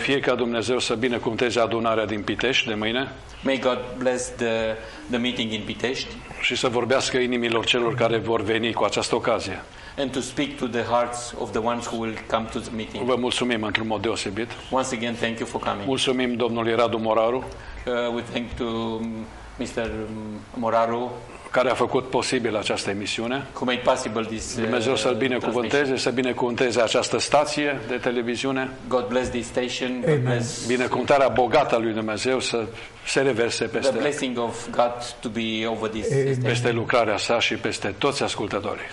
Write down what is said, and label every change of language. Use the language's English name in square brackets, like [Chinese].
[Romanian] Fie ca Dumnezeu să binecuvânteze adunarea din Pitești de mâine. [English] May God bless the meeting in Pitești. [Romanian] Și să vorbească inimilor celor care vor veni cu această ocazie. [English] And to speak to the hearts of the ones who will come to the meeting. [Romanian] Vă mulțumim într-un mod deosebit. [English] Once again, thank you for coming. [Romanian] Mulțumim domnului Radu Moraru. [English] We thank to Mr. Moraru, [Romanian] care a făcut posibil această emisiune. [English] Who made possible this. [Romanian] Dumnezeu să-l binecuvânteze, să binecuvânteze această stație de televiziune. [English] God bless this station. Amen. [Romanian] Binecuvântarea bogată a lui Dumnezeu să se reverse peste. [English] The blessing of God to be over this. [Romanian] Peste lucrarea sa și peste toți ascultătorii.